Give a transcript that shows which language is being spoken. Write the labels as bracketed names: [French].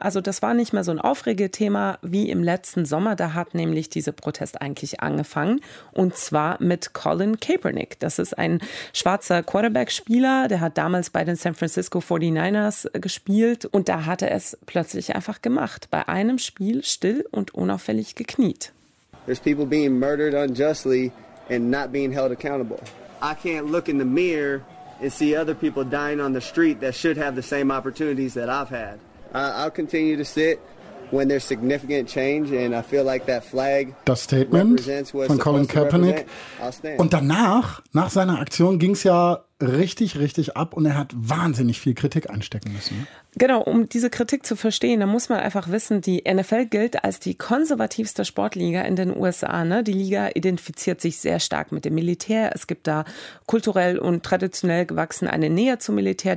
[German] Also das war nicht mehr so ein Aufregethema wie im letzten Sommer. Da hat nämlich dieser Protest eigentlich angefangen. Und zwar mit Colin Kaepernick. Das ist ein schwarzer Quarterback-Spieler. Der hat damals bei den San Francisco 49ers gespielt. Und da hat er es plötzlich einfach gemacht. Bei einem Spiel still und unauffällig gekniet. [English] There's people being murdered unjustly and not being held accountable. I can't look in the mirror and see other people dying on the street that should have the same opportunities that I've had. I'll continue to sit when there's significant change and I feel like that flag [German] das Statement [English] represents what's [German] von [English] Colin Kaepernick. I'll stand. [German] Und danach, nach seiner Aktion, ging's ja richtig, richtig ab und er hat wahnsinnig viel Kritik einstecken müssen. Genau, um diese Kritik zu verstehen, da muss man einfach wissen, die NFL gilt als die konservativste Sportliga in den USA. Ne? Die Liga identifiziert sich sehr stark mit dem Militär. Es gibt da kulturell und traditionell gewachsen eine Nähe zum Militär.